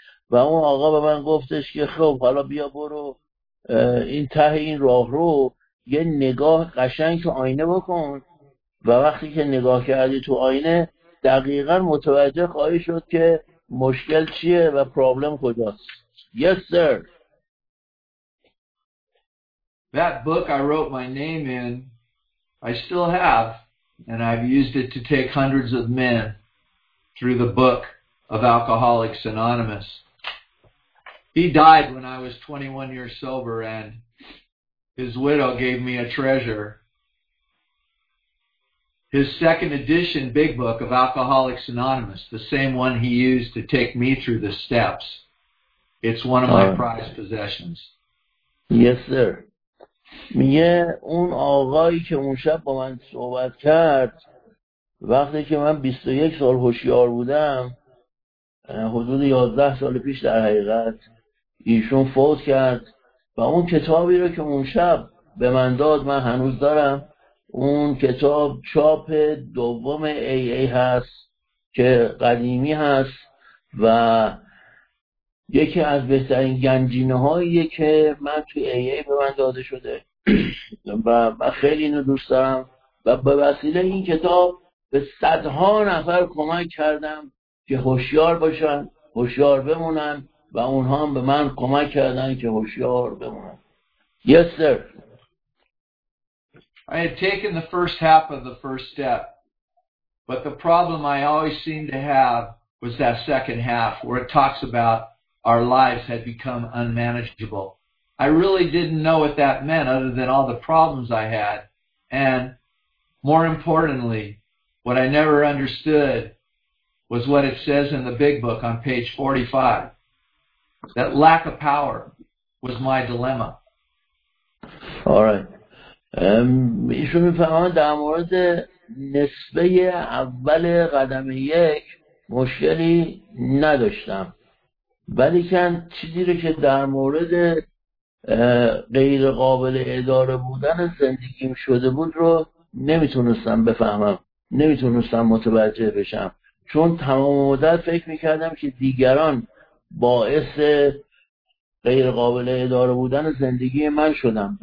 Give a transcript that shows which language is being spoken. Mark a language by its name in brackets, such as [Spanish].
[Persian] و اون آقا به من گفتش که خب حالا بیا برو این ته این راه رو یه نگاه قشنگ تو آینه بکن و وقتی که نگاه کردی تو آینه دقیقا متوجه خواهی شد که مشکل چیه و پرابلم کجاست. [English] Yes sir. That book I wrote my name in, I still have, and I've used it to take hundreds of men through the book of Alcoholics Anonymous. He died when I was 21 years sober and his widow gave me a treasure. His second edition big book of Alcoholics Anonymous, the same one he used to take me through the steps. It's one of my prized possessions. Yes, sir. [Persian] میگه اون آقایی که اون شب با من صحبت کرد وقتی که من 21 سال هوشیار بودم، حدود 11 سال پیش در حقیقت، ایشون فوت کرد و اون کتابی رو که اون شب به من داد من هنوز دارم. اون کتاب چاپ دوم AA هست که قدیمی هست و یکی از بهترین گنجینه هایی که من توی AA به من داده شده و من خیلی اینو دوست دارم و به وسیله این کتاب به صدها نفر کمک کردم که هوشیار باشن، هوشیار بمونن و اونها هم به من کمک کردن که هوشیار بمونم. [English] Yes, sir. I had taken the first half of the first step, but the problem I always seemed to have was that second half where it talks about our lives had become unmanageable. I really didn't know what that meant other than all the problems I had. And more importantly, what I never understood was what it says in the big book on page 45, that lack of power was my dilemma. All right. [Persian] ایشون میفهمن در مورد نصفه اول قدم یک مشکلی نداشتم، ولی کن چیزی رو که در مورد غیر قابل اداره بودن زندگیم شده بود رو نمیتونستم بفهمم، نمیتونستم متوجه بشم، چون تمام مدت فکر میکردم که دیگران باعث غیر قابل اداره بودن زندگی من شدم.